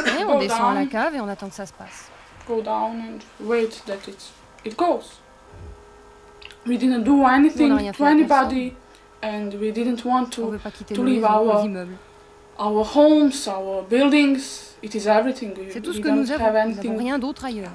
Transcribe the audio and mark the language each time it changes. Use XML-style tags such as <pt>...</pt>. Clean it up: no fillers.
<fr>On descend à la cave et on attend que ça se passe.</fr> <en>Go down and wait that it goes. We didn't do anything to anybody and we didn't want to leave our homes, our buildings. It is everything.</en> <fr>C'est tout ce que nous avons, rien d'autre ailleurs.</fr>